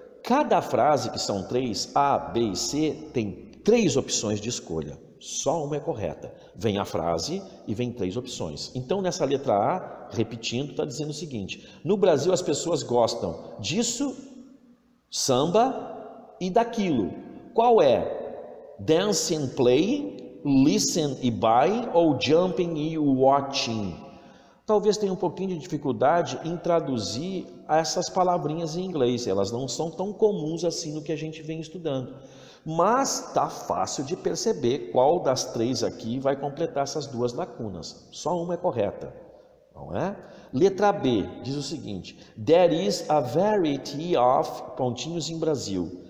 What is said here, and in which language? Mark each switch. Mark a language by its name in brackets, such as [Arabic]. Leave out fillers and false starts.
[Portuguese] Cada frase, que são 3, A, B e C, tem 3 opções de escolha. Só uma é correta. Vem a frase e vem 3 opções. Então, nessa letra A, repetindo, está dizendo o seguinte: no Brasil as pessoas gostam disso, samba e daquilo. Qual é? [English] Dance and play, listen e buy ou jumping e watching? [Portuguese] Talvez tenha um pouquinho de dificuldade em traduzir essas palavrinhas em inglês. Elas não são tão comuns assim no que a gente vem estudando. Mas está fácil de perceber qual das 3 aqui vai completar essas 2 lacunas. Só uma é correta, não é? Letra B diz o seguinte: [English] there is a variety of pontinhos in Brazil.